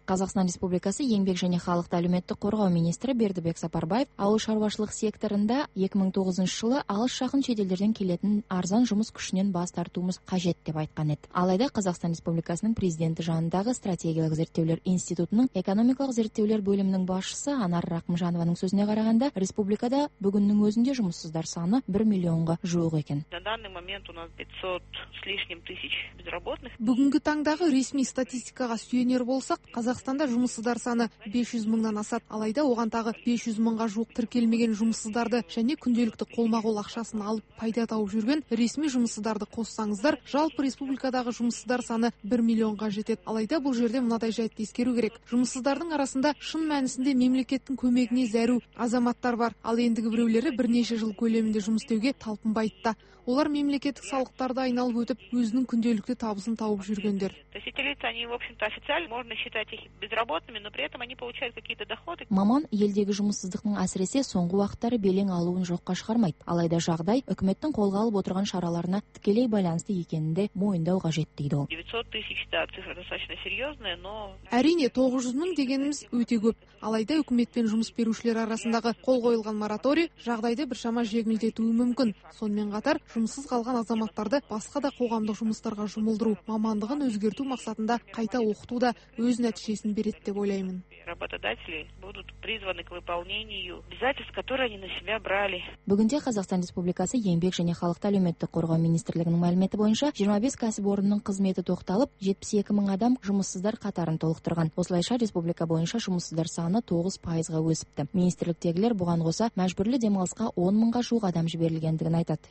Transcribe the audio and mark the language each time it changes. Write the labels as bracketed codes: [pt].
[kk] Қазақстан Республикасы Еңбек және халықты әлеуметтік қорғау министрі Бердібек Сапарбаев ауыл шаруашылық секторында 2009 жылы алыс жақын шетелдерден келетін арзан жұмыс күшінен бас тартуымыз қажет деп айтқан еді. Алайда Қазақстан Республикасының президенті жанындағы стратегиялық зерттеулер институтының экономикалық зерттеулер бөлімінің басшысы Анар Рақымжанованың сөзіне қарағанда, республикада бүгіннің өзінде жұмыссыздар саны 1 миллионға жуық екен. [ru] На данный момент у нас 500 с лишним тысяч безработных. [kk] Бүгінгі таңдағы ресми статистикаға сүйенер болсақ, Қазақстанда жұмыссыздар саны 500 мыңнан асады. Алайда оған тағы 500 мыңға жуық тіркелмеген жұмыссыздарды және күнделікті қолма-қол ақшасын алып пайда тауып жүрген ресми жұмыссыздарды қоссаңыздар, жалпы республикадағы жұмыссыздар саны 1 миллионға жетеді. Алайда бұл жерде мынадай жайтты ескеру керек. Жұмыссыздардың арасында шын мәнісінде мемлекеттің көмегіне зәру азаматтар бар. Ал ендігі біреулері бірнеше жыл көлемінде жұмыс істеуге талпынбайды да. Олар мемлекеттік салықтарды айналып өтіп, өзінің күнделікті табысын тауып жүргендер. Маман елдегі жұмыссыздықтың әсіресе соңғы уақыттары белең алуын жоққа шығармайды. Алайда жағдай үкіметтің қолға алып отырған шараларына тікелей байланысты екенінде мойындау қажет дейді ол. [ru] 900 тысяч, да, цифра достаточно серьезная, но... [kk] Әрине, 900 мың дегеніміз өте көп. Алайда үкіметпен жұмыс берушілер арасындағы қол қойылған мораторий жағдайды біршама жеңілдетуі мүмкін. Сонымен қатар, жұмыссыз қалған азаматтарды басқа да қоғамдық жұмыстарға жұмылдыру, мамандығын өзгерту мақсатында қайта оқыту да өз нәтижесін береді деп ойлаймын. [ru] Работодатели будут призваны к выполнению обязательств, которые они на себя брали. [kk] Бүгінде Қазақстан Республикасы Еңбек және халықты әлеуметтік қорғау министрлігінің мәліметі бойынша 25 кәсіпорынның қызметі тоқталып, 72 мың адам жұмыссыздар қатарын толықтырған. Осылайша республика бойынша жұмыссыздар саны 9%-ға өсіпті. Министрліктегілер бұған қоса мәжбүрлі демалысқа 10 мыңға жуық адам жіберілгендігін айтады.